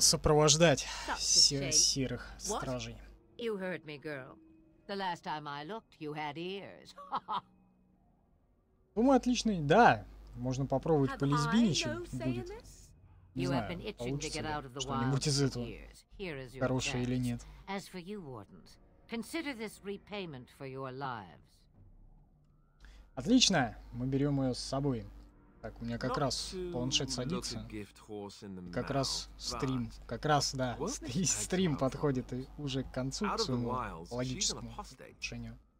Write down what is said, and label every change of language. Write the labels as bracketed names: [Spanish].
[Russian] Сопровождать серых стражей. [English] What? You heard me, girl. The last time I looked, you had ears. [Russian] Думаю, отличный. Да, можно попробовать полезбиничем. Будет. Не знаю, получится ли что-нибудь из этого. Хорошее или нет. [English] As for you, Wardens, consider this repayment for your lives. [Russian] Отлично, мы берем ее с собой. Так, у меня как раз планшет садится. Как раз стрим. Как раз, да. Стрим подходит уже к концу, к своему логическому решению.